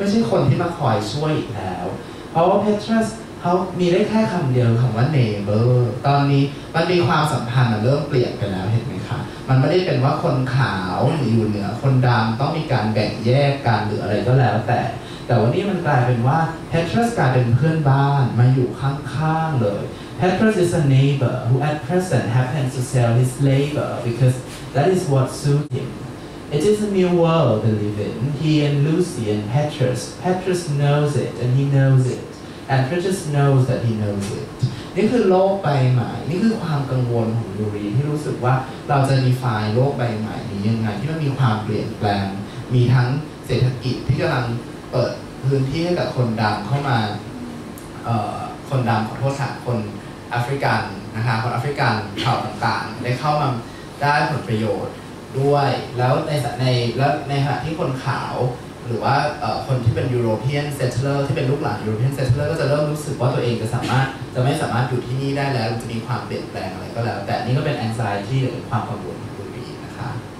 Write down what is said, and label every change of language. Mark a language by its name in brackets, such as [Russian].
[Thai] คนที่มาคอยช่วยอีกแล้วเพราะว่าเพทรัสเขามีได้แค่คำเดียวคำว่าเนเบอร์ตอนนี้มันมีความสัมพันธ์เริ่มเปลี่ยนไปแล้วเห็นไหมคะมันไม่ได้เป็นว่าคนขาวอยู่เหนือคนดำต้องมีการแบ่งแยกกันหรืออะไรก็แล้วแต่วันนี้มันกลายเป็นว่าเพทรัสกลายเป็นเพื่อนบ้านมาอยู่ข้างๆเลย [English] Petrus is a neighbor who at present happens to sell his labor because that is what suits him. It is a new world they live in. He and Lucy and Petrus knows it and he knows it. And Petrus knows that he knows it. [Thai] นี่คือโลกใบใหม่นี่คือความกังวลของยูรีที่รู้สึกว่าเราจะมีไฟล์โลกใบใหม่นี้ยังไงที่มันมีความเปลี่ยนแปลงมีทั้งเศรษฐกิจที่กำลังเปิดพื้นที่ให้กับคนดำเข้ามา คนดำขอโทษค่ะคนแอฟริกันนะคะคนแอฟริกันเผ่าต่างๆได้เข้ามาได้ผลประโยชน์ด้วยแล้วในขณะที่คนขาวหรือว่าคนที่เป็นยูโรเปียนเซตเลอร์ที่เป็นลูกหลานยูโรเปียนเซตเลอร์ก็จะเริ่มรู้สึกว่าตัวเองจะไม่สามารถอยู่ที่นี่ได้แล้วจะมีความเปลี่ยนแปลงอะไรก็แล้วแต่นี่ก็เป็นแอนซายที่หรือความกังวลของตัวเองนะคะ